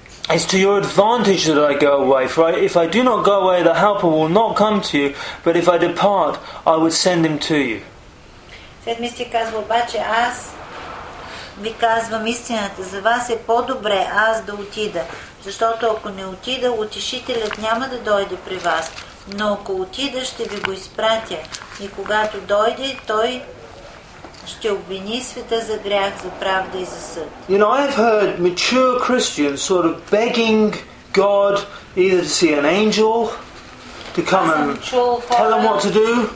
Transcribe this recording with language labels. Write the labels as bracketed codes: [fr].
[en] It's to your advantage that I go away. For if I do not go away, the Helper will not come to you, but if I depart, I would send him to you. [bg] 7 стих казва, обаче аз ви казвам истината, за вас е по-добре аз да отида. Защото ако не отида, утешителят няма да дойде при вас, но ако отида, ще ви го изпратя. И когато дойде, той ще обвини света за грях, за правда и за съд. [en] You know, I've heard mature Christians sort of begging God either to see an angel to come and tell them what to do.